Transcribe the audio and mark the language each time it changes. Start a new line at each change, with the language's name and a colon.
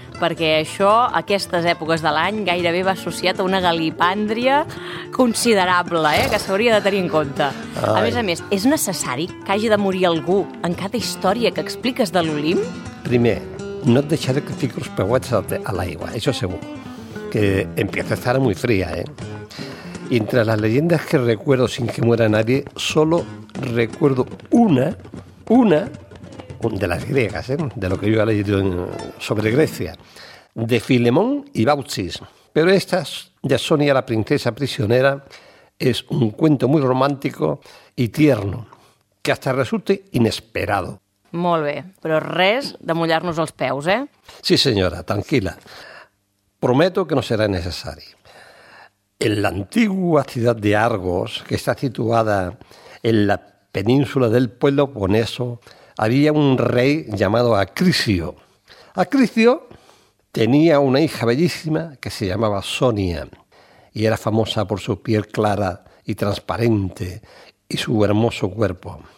Catalan: Perquè això, a aquestes èpoques de l'any, gairebé va associat a una galipàndria considerable, eh? Que s'hauria de tenir en compte. Ai. A més, és necessari que hagi de morir algú en cada història que expliques de l'Olimp? Primer, no et deixaré que fiqui els peuets a l'aigua, això segur.
Spanish: Que empieza a estar muy fría, eh? Entre las leyendas que recuerdo sin que muera nadie, solo recuerdo una de las griegas, ¿eh?, de lo que yo he leído sobre Grecia, de Filemón y Baucis. Pero esta de Sonia, la princesa prisionera, es un cuento muy romántico y tierno, que hasta resulte inesperado.
Catalan: Molt bé, però res de mullar-nos els peus, eh? Sí, senyora, tranquila. Prometo que no serà necessari.
Spanish: En la antigua ciudad de Argos, que está situada en la península del Peloponeso, había un rey llamado Acrisio. Acrisio tenía una hija bellísima que se llamaba Sonia y era famosa por su piel clara y transparente y su hermoso cuerpo.